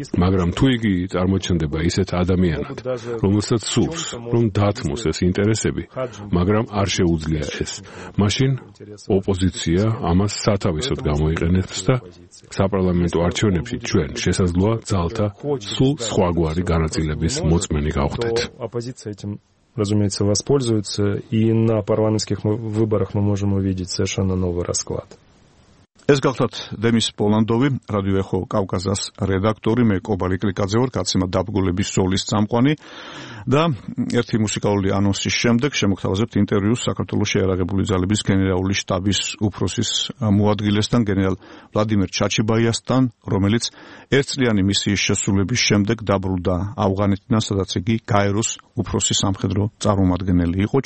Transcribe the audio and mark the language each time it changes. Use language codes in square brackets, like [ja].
[ka] მაგრამ თუ იგი წარმოჩნდება ისეთ ადამიანად, რომელსაც სურს, რომ დათმოს ეს ინტერესები, მაგრამ არ შეუძლია ეს, მაშინ ოპოზიცია ამას სათავისოდ გამოიყენებს და საპარლამენტო არჩევნებში ჩვენ შესაძლოა ძალთა სულ სხვაგვარი განაწილების მოწმენი გავხდეთ. [ru] ოპოზიცია этим, разумеется, воспользуется, и на парламентских выборах мы можем увидеть совершенно новый расклад. [ka] ეს გახლავთ დემის პოლანდოვი, რადიო ეხო კავკაზას რედაქტორი, მე კობალი კლიკაძე ვარ, კაცმა დაბგოლების სოლის წამყვანი და ერთი მუსიკალური ანონსის შემდეგ შემოგთავაზებთ ინტერვიუს საქართველოს შეერაღებული ძალების გენერალური შტაბის უფროსის მოადგილესთან, გენერალ ვლადიმერ ჩაჩიბაიასთან, რომელიც ერთწლიანი მისიის შესრულების შემდეგ დაბრუნდა ავღანეთიდან, სადაც იგი გაეროს უფროსი სამხედრო წარმომადგენელი იყო.